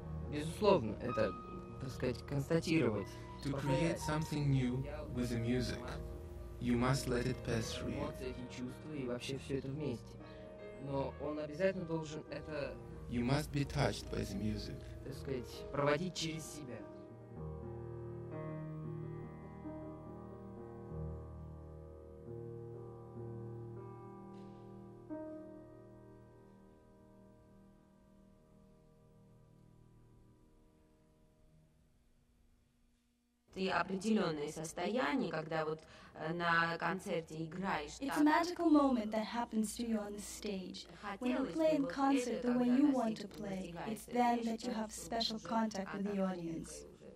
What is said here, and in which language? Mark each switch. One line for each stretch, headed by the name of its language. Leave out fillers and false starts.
Russian: безусловно, это, так сказать, констатировать.
English: To create something new with the music, you must let it pass through you.
Russian: Эмоции, чувства и вообще все это вместе. Но он обязательно должен это...
English: You must be touched by the music.
Russian: Так сказать, проводить через себя. И определенное состояние, когда вот на концерте играешь.
English: It's a magical moment that happens to you on the stage. When you play in concert the way you want to play, it's then that you have special contact with the audience.